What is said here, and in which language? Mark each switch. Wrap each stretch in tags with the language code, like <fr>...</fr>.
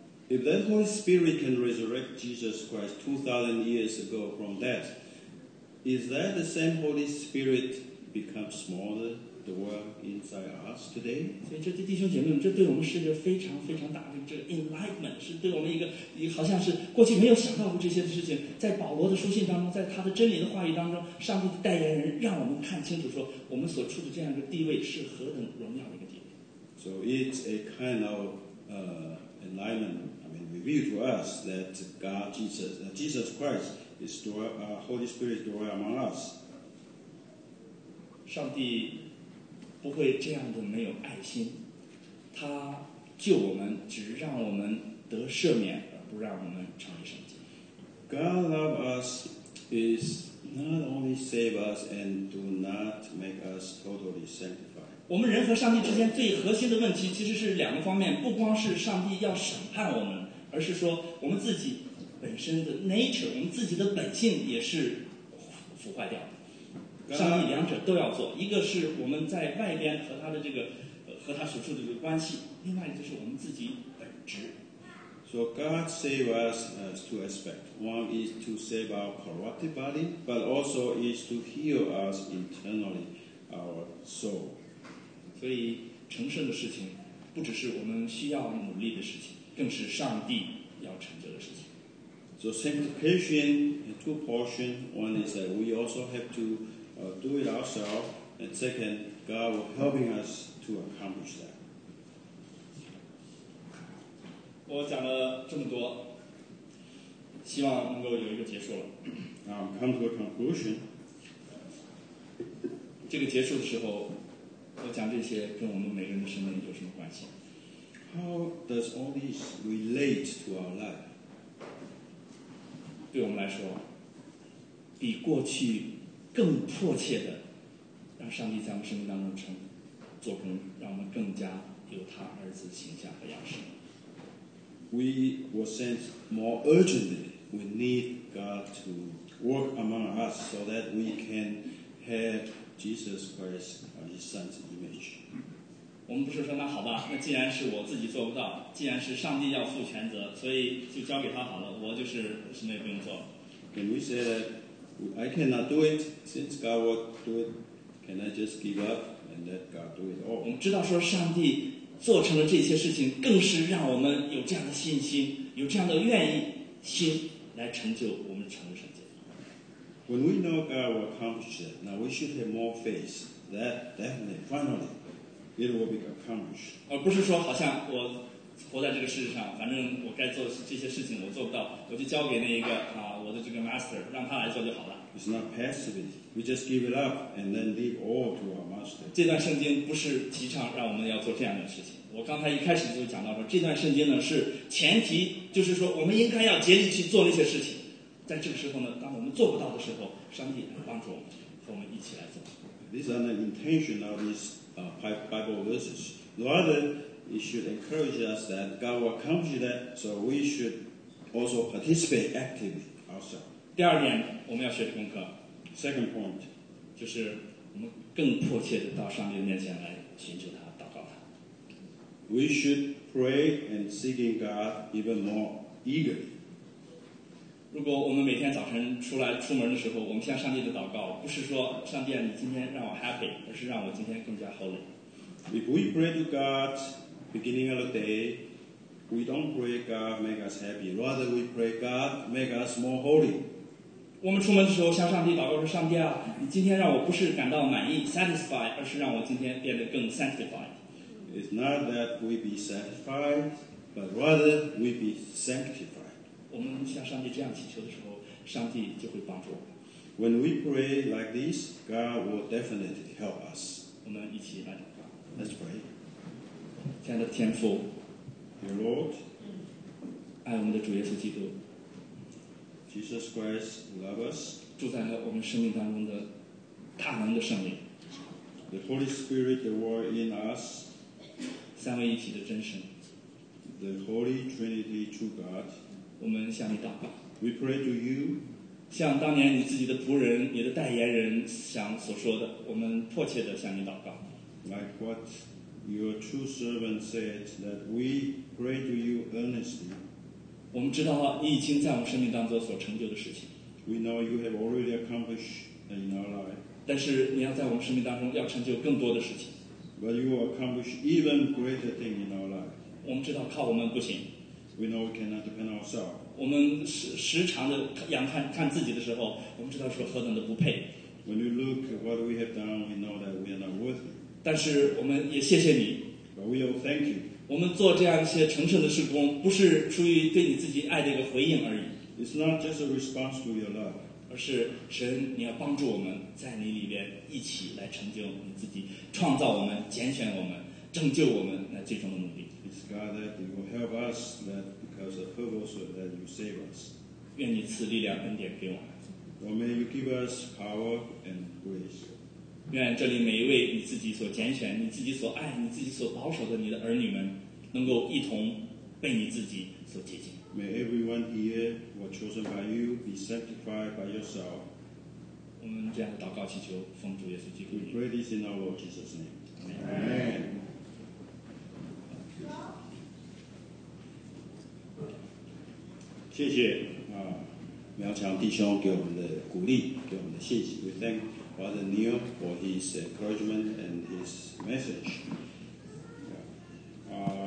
<en>If that Holy Spirit can resurrect Jesus Christ 2,000 years ago from death, is that the same Holy Spirit become smaller, the world inside us today.</en> <zh>所以这对弟兄姐妹们，这对我们是一个非常非常大的这个 enlightenment， 是对我们一个好像是过去没有想到过这些的事情。在保罗的书信当中，在他的真理的话语当中，上帝的代言人让我们看清楚，说我们所处的这样的地位是何等荣耀的一个地位。</zh> <en>So it's a kind of enlightenment. I mean, revealed to us that God Jesus, that Jesus Christ is Holy Spirit dwell among us.</en> <zh>上帝不会这样的没有爱心，他救我们只让我们得赦免，而不让我们成为圣洁。</zh> <en>God love us is not only save us and do not make us totally sanctified.</en> <zh>我们人和上帝之间最核心的问题其实是两个方面，不光是上帝要审判我们，而是说我们自己本身的 nature， 我们自己的本性也是腐坏掉的。上帝两者都要做，一个是我们在外边和他的这个和他所处的这个关系，另外就是我们自己本质。</zh> <en>So God save us as two aspects. One is to save our corrupted body, but also is to heal us internally, our soul. 所以成圣的事情不只是我们需要努力的事情，更是上帝要成就的事情。 So sanctification in two portions. One is that we also have to do it ourselves, and second, God will helping us to accomplish that.</en> <zh>我讲了这么多，希望能够有一个结束了。</zh> <en>Now come to a conclusion.</en> <zh>这个结束的时候，我讲这些跟我们每个人的生命有什么关系？</zh> <en>How does all this relate to our life?</en> <zh>对我们来说，比过去更迫切的让上帝在我们生命当中成做工，让我们更加有他儿子形象和样式。</zh> <en>We will sense more urgently we need God to work among us so that we can have Jesus Christ as His Son's image.</en> <zh>我们不是说那好吧，那既然是我自己做不到，既然是上帝要负全责，所以就交给他好了，我就是什么也不用做。</zh> <en>Can we say thatI cannot do it since God will do it. Can I just give up and let God do it all?</en> <zh>我们知道说上帝做成了这些事情，更是让我们有这样的信心，有这样的愿意心来成就我们成为圣洁。</zh> <en>When we know God will accomplish it, now we should have more faith that definitely, finally, it will be accomplished.</en> <zh>而不是说好像我活在这个世界上，反正我该做这些事情我做不到，我就交给那一个我的这个 master， 让他来做就好了。</zh> <en>It's not passive. We just give it up and then leave all to our master.</en> <zh>这段圣经不是提倡让我们要做这样的事情。我刚才一开始就讲到说，这段圣经呢是前提，就是说我们应该要竭力去做那些事情。在这个时候呢，当我们做不到的时候，上帝来帮助我们，和我们一起来做。</zh> <en>These are the intention of these Bible verses. Rather,It should encourage us that God will accomplish that, so we should also participate actively ourselves.</en> <zh>第二点，我们要学的功课。</zh> <en>Second point,</en> <zh>就是我们更迫切的到上帝面前来寻求他，祷告他。</zh> <en>We should pray and seeking God even more eagerly.</en> <zh>如果我们每天早晨出门的时候，我们向上帝的祷告，不是说上帝啊，你今天让我 happy， 而是让我今天更加 holy。</zh> <en>If we pray to God. Beginning of the day, we don't pray God make us happy. Rather, we pray God make us more holy.</en> <zh>我们出门的时候向上帝祷告说：“上帝啊，你今天让我不是感到满意 ，satisfied， 而是让我今天变得更 sanctified.”</zh> <en>It's not that we be satisfied, but rather we be sanctified.</en> <zh>我们向上帝这样祈求的时候，上帝就会帮助我们。</zh> <en>When we pray like this, God will definitely help us.</en> <zh>我们一起来祷告。</zh> <en>Let's pray.</en> <zh>亲爱的天父</zh> <en>Dear Lord</en> <zh>爱我们的主耶稣基督</zh> <en>Jesus Christ love us</en> <zh>住在了我们生命当中的大能的圣灵</zh> <en>The Holy Spirit the world in us</en> <zh>三位一体的真神</zh> <en>The Holy Trinity true God</en> <zh>我们向你祷告</zh> <en>We pray to you</en> <zh>像当年你自己的仆人你的代言人想所说的我们迫切地向你祷告</zh> <en>Like whatYour true servant said that we pray to you earnestly.</en> <zh>我们知道你已经在我生命当中所成就的事情。</zh> <en>We know you have already accomplished in our life.</en> <zh>但是你要在我们生命当中要成就更多的事情。</zh> <en>But you will accomplish even greater thing in our life.</en> <zh>我们知道靠我们不行。</zh> <en>We know we cannot depend on ourselves.</en> <zh>我们时常的仰看看自己的时候，我们知道是何等的不配。</zh> <en>When you look at what we have done, we know that we are not worthy.</en> <zh>但是我们也谢谢你。</zh> <en>But we will thank you.</en> <zh>我们做这样一些诚诚的事工，不是出于对你自己爱的一个回应而已。</zh> <en>It's not just a response to your love.</en> <zh>而是神，你要帮助我们在你里边一起来成就你自己，创造我们，拣选我们，拯救我们，那最终的目的。</zh> <en>It's God that you will help us that because of her also that you save us.</en> <zh>愿你赐力量恩典给我们。</zh> <en>Well, may you give us power and grace.</en> <zh>愿这里每一位你自己所拣选、你自己所爱、你自己所保守的你的儿女们，能够一同被你自己所洁净。</zh> <en>May everyone here were chosen by you be sanctified by yourself.</en> <zh>我们这样的祷告祈求，奉主耶稣基督。</zh> <en>We pray this in our Lord Jesus' name. Amen. Amen. Thank you.</en> <zh>谢谢苗强弟兄给我们的鼓励，给我们的信息。</zh> <en>We thank Father Neil for his encouragement and his message.</en>